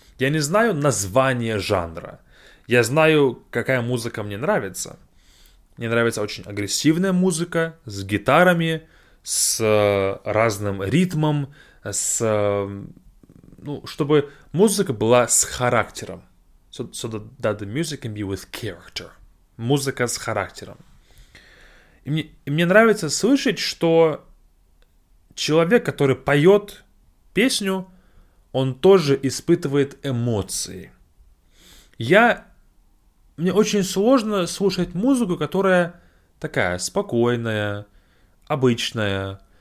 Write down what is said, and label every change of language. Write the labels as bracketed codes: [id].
[ru] Я не знаю название жанра. Я знаю, какая музыка мне нравится. Мне нравится очень агрессивная музыка с гитарами, с разным ритмом, с, ну, чтобы музыка была с характером. [en] So that the music can be with character. [ru] Музыка с характером. И мне нравится слышать, что человек, который поет песню, он тоже испытывает эмоции. Мне очень сложно слушать музыку, которая такая спокойная, обычная.